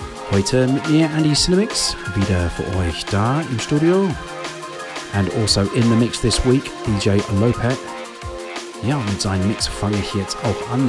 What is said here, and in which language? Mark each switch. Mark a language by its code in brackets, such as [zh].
[de] Heute mit mir Andy Cinemix, wieder für euch da im Studio. [en] And also in the mix this week, DJ Lopez. [de] Ja, mit seinem Mix fange ich jetzt auch an.